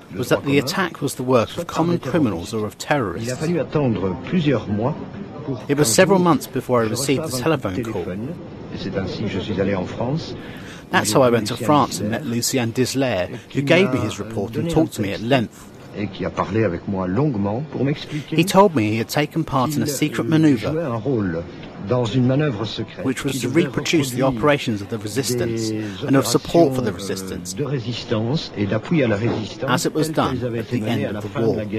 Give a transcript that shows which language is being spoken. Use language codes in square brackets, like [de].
[en] was that the attack was the work of common criminals or of terrorists. [fr] Il a fallu attendre plusieurs mois pour [en] it was several months before I received the telephone call. [fr] Et c'est ainsi que je suis allé en France. [en] That's how I went to France and met Lucien Dazlier, who gave me his report and talked to me at length. [fr] Et qui a parlé avec moi longuement pour m'expliquer. [en] He told me he had taken part in a secret maneuver, [fr] un rôle dans une manœuvre secrète, [en] which was to reproduce the operations of the resistance and of support for the resistance, [fr] de résistance et d'appui à la résistance, [en] as it was done at the end of the war.